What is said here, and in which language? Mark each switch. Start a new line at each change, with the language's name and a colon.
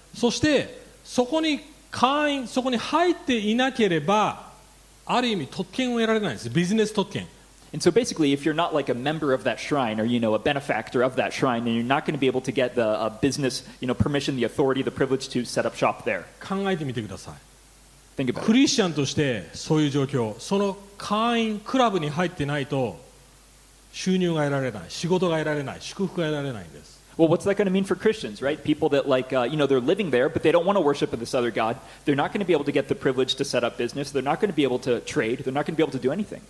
Japanese: そしてそこに会員、そこに入っていなければ、ある意味特権を得られないんです、ビジネス特権。
English: And so basically, if you're not like a member of that shrine, or you know, a benefactor of that shrine, then you're not going to be able to get the business, you know, permission, the authority, the privilege to set up shop there.
Japanese: 考えてみてください。
English: Think about it.
Japanese: クリスチャンとしてそういう状況、その会員クラブに入ってないと収入が得られない、仕事が得られない、祝福が得られないんです。
English: Well, what's that going to mean for Christians, right? People that like, you know, they're living there, but they don't want to worship this other God. They're not going to be able to get the privilege to set up business. They're not going to be able to trade. They're not going to be able to do anything.